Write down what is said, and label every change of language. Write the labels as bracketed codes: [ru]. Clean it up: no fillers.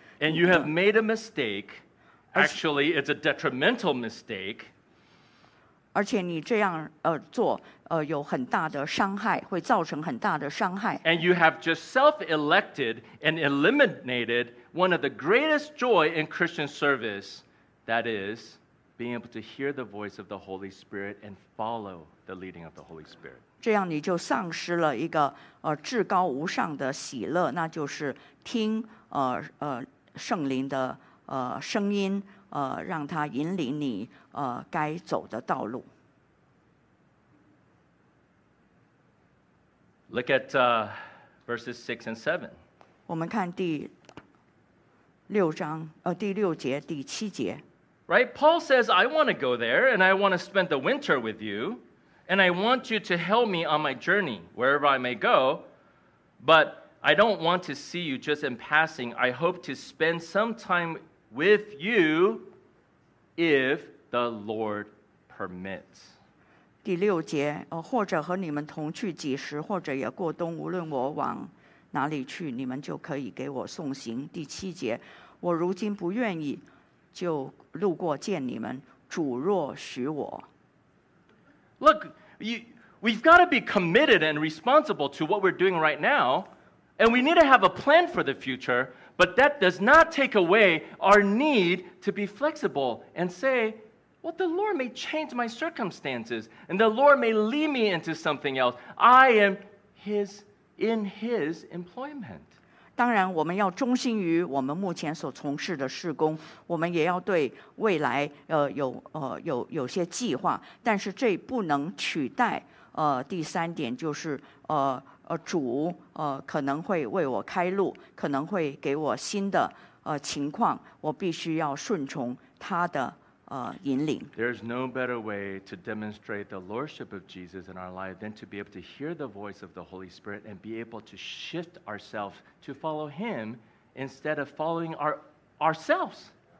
[en] And you have made a mistake. Actually, it's a detrimental mistake. [zh] 而且你这样做有很大的伤害，会造成很大的伤害。 [en] And you have just self-elected and eliminated one of the greatest joy in Christian service, that is being able to hear the voice of the Holy Spirit and follow the leading of the Holy Spirit. [zh] 这样你就丧失了一个至高无上的喜乐，那就是听圣灵的声音，让他引领你该走的道路。 [en] Look at verses 6 and 7. [zh] 我们看第六章第六节第七节。 [en] Right, Paul says, I want to go there and I want to spend the winter with you and I want you to help me on my journey wherever I may go, but I don't want to see you just in passing. I hope to spend some time with you if the Lord permits. [zh] 第六节或者和你们同去几时或者也过冬，无论我往哪里去，你们就可以给我送行。第七节，我如今不愿意就路过见你们，主若许我。 [en] Look, we've got to be committed and responsible to what we're doing right now, and we need to have a plan for the future, but that does not take away our need to be flexible and say, well, the Lord may change my circumstances, and the Lord may lead me into something else. I am in his employment. [zh] 当然我们要忠心于我们目前所从事的事工，我们也要对未来有些计划，但是这不能取代第三点，就是主可能会为我开路，可能会给我新的情况，我必须要顺从他的引领。 [en] There's no better way to demonstrate the lordship of Jesus in our life than to be able to hear the voice of the Holy Spirit and be able to shift ourselves to follow Him instead of following ourselves.